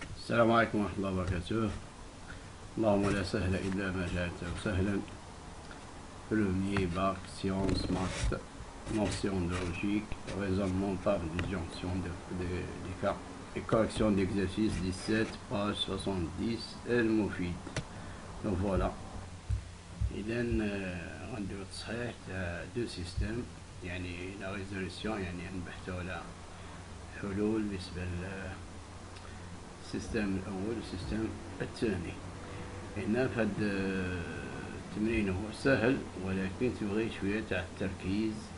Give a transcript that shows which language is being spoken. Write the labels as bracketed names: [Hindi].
[Arabic] السلام عليكم ورحمة الله وبركاته. اللهم لا سهل إلا ما جعلته سهلا. [French] Premier bac science math mention de logique raisonnement par disjonction des cas et correction d'exercice 17 page 70 El Moufid. Donc voilà. Et then rendu [Arabic] صحيح [French] deux systèmes [Arabic] يعني [French] la résolution [Arabic] يعني نبحثوا على حلول بالنسبة ل السيستم الأول والسيستم الثاني. هنا في هاد التمرين هو سهل ولكن تبغي شوية تاع التركيز.